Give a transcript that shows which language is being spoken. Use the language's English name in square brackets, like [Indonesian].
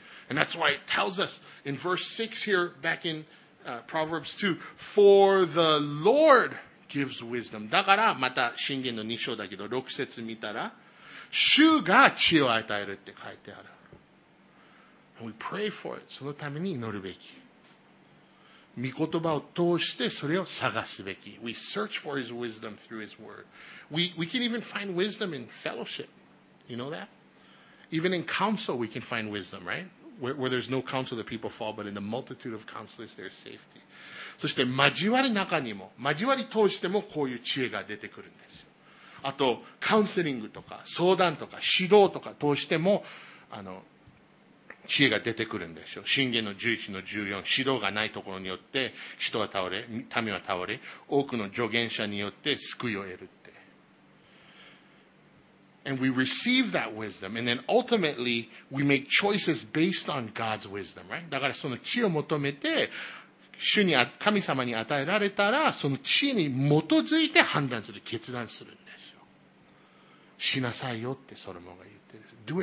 [English] And that's why it tells us in verse 6 here, back in Proverbs 2, For the Lord gives wisdom. [Japanese] だからまた箴言の2章だけど、6節見たら、主が知恵を与えるって書いてある。 [English] And we pray for it. [Japanese] そのために祈るべき。御言葉を通してそれを探すべき。 [English] We search for his wisdom through his word. We can even find wisdom in fellowship. You know that? Even in counsel we can find wisdom, right? Where there's no counsel, the people fall, but in the multitude of counselors, there's safety. [Japanese] そして、交わり中にも、交わり通してもこういう知恵が出てくるんですよ。あと、カウンセリングとか、相談とか、指導とか通しても、知恵が出てくるんですよ。箴言の11:14、指導がないところによって、人は倒れ、民は倒れ、多くの助言者によって救いを得るって。 [English] And we receive that wisdom, and then ultimately we make choices based on God's wisdom, right? [Japanese] だからその知恵を求めて、主に神様に与えられたら、その知恵に基づいて判断する、決断するんですよ。しなさいよってソロモンが言ってる。